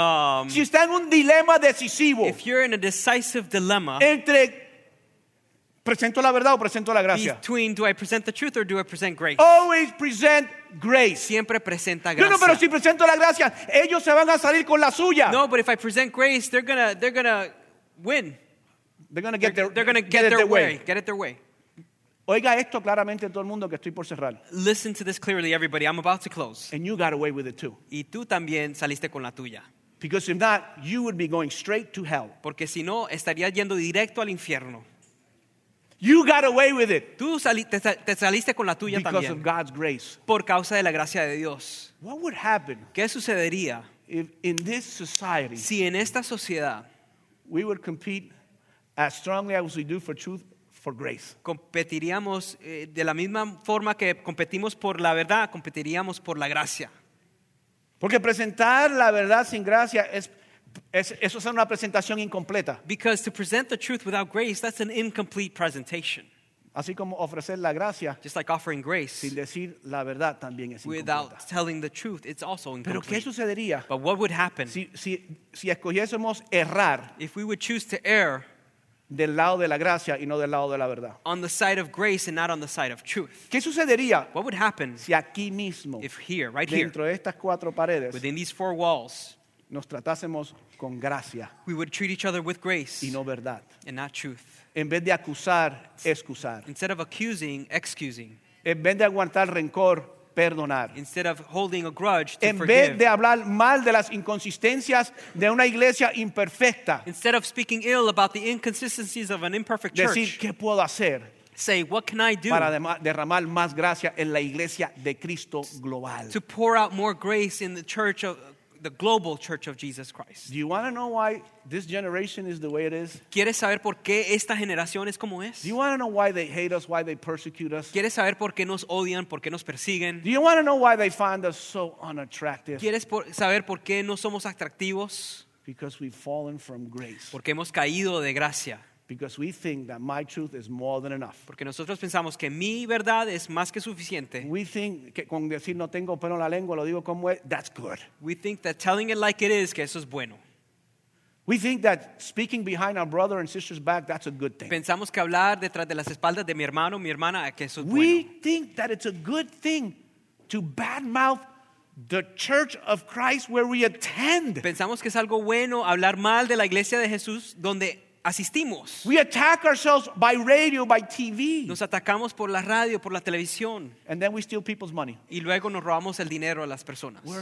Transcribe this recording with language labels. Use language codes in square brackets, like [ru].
[es] está en un dilema decisivo, [en] if you're in a decisive dilemma, [es] entre presento la verdad o presento la gracia, [en] between do I present the truth or do I present grace? Always present grace. [es] Siempre presenta gracia. No, pero si presento la gracia, ellos se van a salir con la suya. [en] No, but if I present grace, they're gonna win. They're gonna get their way. Get it their way. [es] Oiga esto claramente todo el mundo que estoy por cerrar. [en] Listen to this clearly, everybody. I'm about to close. And you got away with it too. [es] Y tú también saliste con la tuya. [en] Because if not, you would be going straight to hell. [es] Porque si no, estarías yendo directo al infierno. [en] You got away with it. [es] Tú te saliste con la tuya también. [en] Because of God's grace. [es] Por causa de la gracia de Dios. [en] What would happen? [es] ¿Qué sucedería? [en] If in this society, [es] si en esta sociedad, [en] we would compete as strongly as we do for truth, for grace. [es] Competiríamos de la misma forma que competimos por la verdad, competiríamos por la gracia. Porque presentar la verdad sin gracia eso es una presentación incompleta. [en] Because to present the truth without grace, that's an incomplete presentation. [es] Así como ofrecer la gracia, [en] just like offering grace, [es] sin decir la verdad también es incompleta. [en] Without telling the truth, it's also incomplete. [es] Pero ¿qué sucedería? [en] But what would happen? [es] Si escogiésemos errar, [en] if we would choose to err, [es] del lado de la gracia y no del lado de la verdad. [en] On the side of grace and not on the side of truth. [es] ¿Qué sucedería? [en] What would happen? [es] Si aquí mismo, [en] if here, right [es] dentro [en] here, [es] de estas cuatro paredes, [en] within these four walls, [es] nos tratásemos con gracia, [en] we would treat each other with grace [es] y no verdad, [en] and not truth. [es] En vez de acusar, excusar. [en] Instead of accusing, excusing. [es] En vez de aguantar rencor, perdonar. [en] Instead of holding a grudge, to [es] en [en] forgive. [es] Vez de hablar mal de las inconsistencias de una iglesia imperfecta. [en] Instead of speaking ill about the inconsistencies of an imperfect [es] decir, [en] church. [es] Decir, ¿qué puedo hacer? [en] Say, what can I do? [es] Para derramar más gracia en la iglesia de Cristo global. [en] To pour out more grace in the church of the global church of Jesus Christ. Do you want to know why this generation is the way it is? [es] ¿Quieres saber por qué esta generación es como es? [en] Do you want to know why they hate us, why they persecute us? [es] ¿Quieres saber por qué nos odian, por qué nos persiguen? [en] Do you want to know why they find us so unattractive? [es] ¿Quieres saber por qué no somos atractivos? [en] Because we've fallen from grace. [es] Porque hemos caído de gracia. [en] Because we think that my truth is more than enough. [es] Porque nosotros pensamos que mi verdad es más que suficiente. [en] We think [es] que con decir no tengo pelo en la lengua lo digo como es, [en] that's good. We think that telling it like it is, [es] que eso es bueno. [en] We think that speaking behind our brother and sister's back, that's a good thing. [es] Pensamos que hablar detrás de las espaldas de mi hermano, mi hermana, que eso es [en] we [es] bueno. [en] We think that it's a good thing to badmouth the church of Christ where we attend. [es] Pensamos que es algo bueno hablar mal de la iglesia de Jesús donde asistimos. [en] We attack ourselves by radio, by TV. [es] Nos atacamos por la radio, por la televisión. [en] And then we steal people's money. Y luego nos robamos el dinero a las personas.